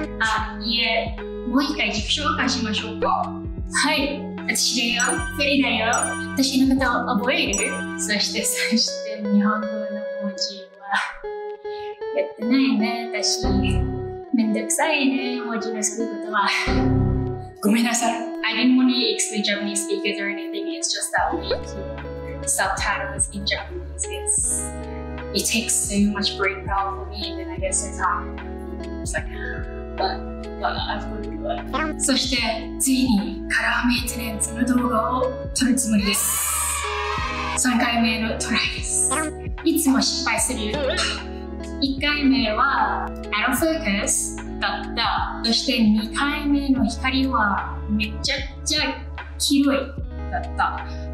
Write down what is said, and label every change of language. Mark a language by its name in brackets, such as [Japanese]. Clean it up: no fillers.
[Japanese] あ、いえ、もう一回自己紹介しましょうか。はい、私だよ、フェリーだよ。私の方を覚える？そして日本語の文字はやってないね。私めんどくさいね、文字の作ることは。ごめんなさい。 [English] I didn't want to explain Japanese speakers or anything. It's just that we need subtitles in Japanese. It takes so much brain power for me, and then I get so tired. It's like, but I've got to do it. [Japanese] そしてついにカラーメンテナンスの動画を撮るつもりです。 3回目のトライです。いつも失敗する。 1回目は [English] out of focus [Japanese] だった。そして2回目の光はめちゃくちゃ黄色いだった。